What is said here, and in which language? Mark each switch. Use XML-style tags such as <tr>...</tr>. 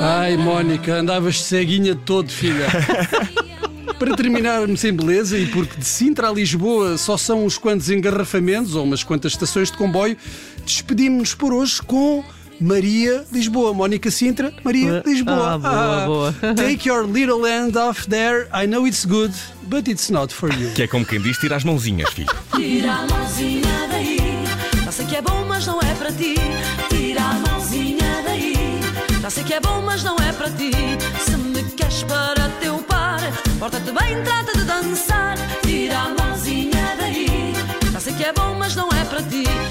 <pt>Ai, Mónica, andavas ceguinha todo, filha. Para terminarmos sem beleza, e porque de Sintra a Lisboa só são uns quantos engarrafamentos ou umas quantas estações de comboio, despedimos-nos por hoje com Maria Lisboa. Mónica Sintra, Maria Lisboa. Ah, boa, boa.</pt> <en>Take your little hand off there. I know it's good, but it's not for you.</en> <pt>Que é como quem diz, tira as mãozinhas, filho. Tira a mãozinha daí. Já sei que é bom, mas não é para ti. Tira a mãozinha daí. Já sei que é bom, mas não é para ti. Se me queres para teu pai, porta-te bem, trata de dançar. Tira a mãozinha daí. Já sei que é bom, mas não é para ti.</pt>